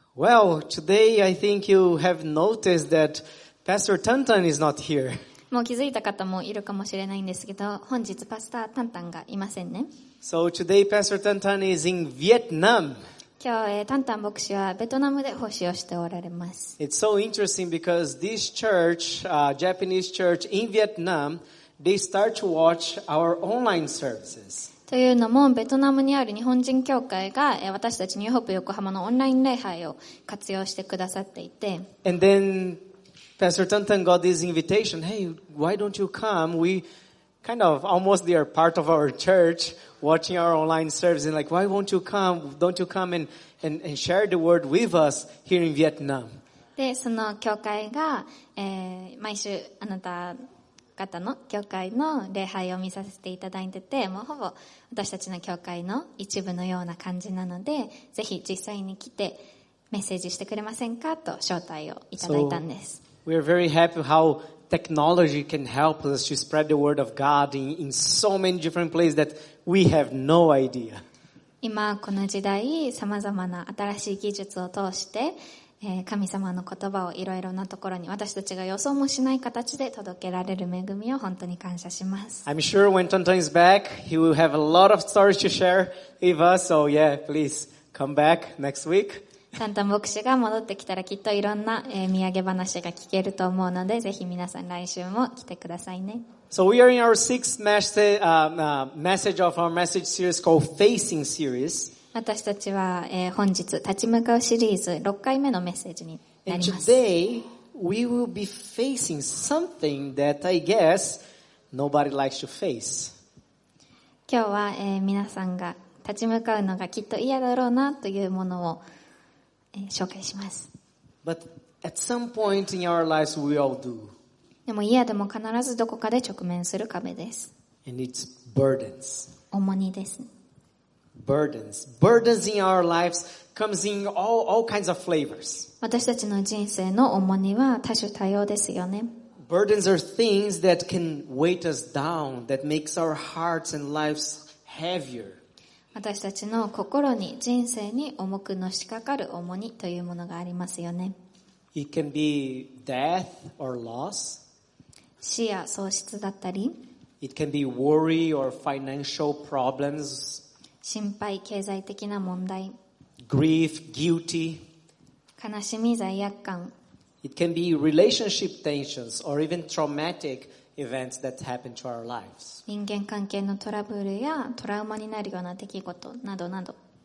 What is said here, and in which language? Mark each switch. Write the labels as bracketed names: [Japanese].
[English] Well, today I think you have noticed that Pastor Tantan is not here. [Japanese] もう気づいた方もいるかもしれないんですけど、本日パスタータンタンがいませんね。 [English] So today Pastor Tantan is in Vietnam. [Japanese] 今日、タンタン牧師はベトナムで奉仕をしておられます。 [English] It's so interesting because this church, Japanese church in Vietnam, they start to watch our online services. [Japanese] というのもベトナムにある日本人教会が私たちニューホープ横浜のオンライン礼拝を活用してくださっていて、 [English] And then Pastor Tantan got this invitation. Hey, why don't you come? We kind of almost they are part of our church, watching our online service. And like, why won't you come? Don't you come and share the word with us here in Vietnam? [Japanese] で、その教会が、毎週あなた方の教会の礼拝を見させていただいてて、もうほぼ私たちの教会の一部のような感じなので、ぜひ実際に来てメッセージしてくれませんかと招待をいただいたんです。 [English] So, we are very happy how technology can help us to spread the word of God in so many different places that we have no idea. [Japanese] 今この時代、さまざまな新しい技術を通して神様の言葉をいろいろなところに私たちが予想もしない形で届けられる恵みを本当に感謝します。 [English] I'm sure when Tantan is back, he will have a lot of stories to share with us. So yeah, please come back next week. [Japanese] タンタン牧師が戻ってきたらきっといろんな土産話が聞けると思うので、ぜひ皆さん来週も来てくださいね。 [English] So we are in our sixth message of our message series called Facing Series. [Japanese] 私たちは本日立ち向かうシリーズ6回目のメッセージになります。 [English] And today we will be facing something that I guess nobody likes to face. [Japanese] 今日は皆さんが立ち向かうのがきっと嫌だろうなというものを紹介します。 [English] But at some point in our lives we all do. [Japanese] でも嫌でも必ずどこかで直面する壁です。 [English] And it's burdens. [Japanese] 重荷です。 [English] Burdens. Burdens in our lives comes in all kinds of flavors. [Japanese] 私たちの人生の重荷は多種多様ですよね。 [English] Burdens are things that can weigh us down, that makes our hearts and lives heavier. [Japanese] 私たちの心に、人生に重くのしかかる重荷というものがありますよね。 [English] It can be death or loss. [Japanese] 死や喪失だったり。 [English] It can be worry or financial problems. [Japanese] 心配、経済的な問題。 [English] Grief, guilty. [Japanese] 悲しみ、罪悪感。 [English] It can be relationship tensions or even traumatic events that happen to our lives. [Japanese] 人間関係のトラブルやトラウマになるような出来事などなど。